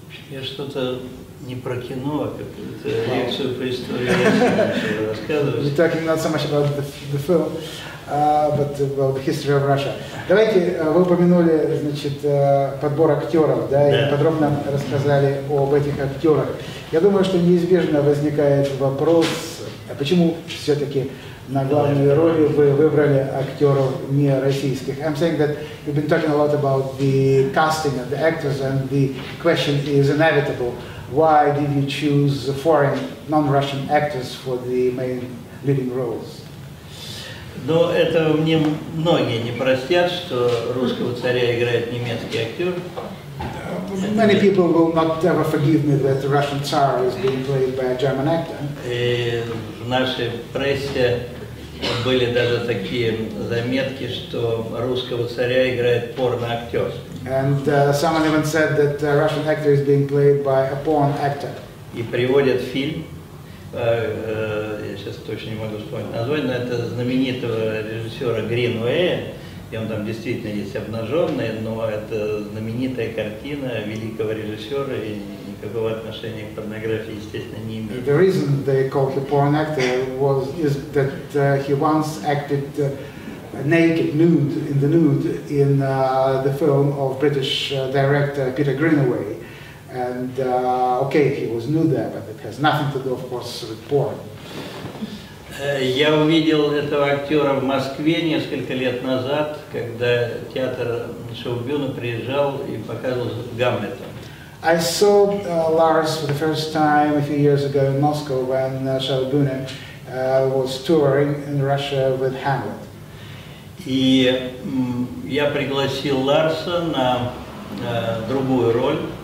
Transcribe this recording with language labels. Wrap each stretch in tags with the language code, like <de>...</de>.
<ru>Я что-то не про кино, а какую-то лекцию по истории рассказываю.</ru> <en>We're talking not so much about the film, but about the history of Russia.</en> <ru>Давайте вы упомянули, значит, подбор актеров, да, и подробно рассказали об этих актерах. Я думаю, что неизбежно возникает вопрос, а почему все-таки на главной роли вы выбрали актеров не российских?</ru> <en>I'm saying that we've been talking a lot about the casting of the actors, and the question is inevitable: why did you choose foreign, non-Russian actors for the main leading roles?</en> <ru>Но это мне многие не простят, что русского царя играет немецкий актер.</ru> <en>Many people will not ever forgive me that the Russian Tsar is being played by a German actor.</en> <ru>И в нашей прессе были даже такие заметки, что русского царя играет порно-актер.</ru> <en>And someone even said that a Russian actor is being played by a porn actor.</en> <ru>И приводят фильм. Я сейчас точно не могу вспомнить название, но это знаменитого режиссера Гринвея, и он там действительно есть обнаженный, но это знаменитая картина великого режиссера, и никакого отношения к порнографии, естественно, не имеет.</ru> <en>The reason they call him porn actor was is that he once acted naked nude in the nude in the film of British director Peter Greenaway. And okay, he was new there, but it has nothing to do, of course, with porn.</en> <ru>Я увидел этого актера в Москве несколько лет назад, когда театр Шоубюна приезжал и показывал Гамлета.</ru> <en>I saw Lars for the first time a few years ago in Moscow when Шоубюна was touring in Russia with Hamlet.</en> <ru>И я пригласил Ларса на другую роль.</ru>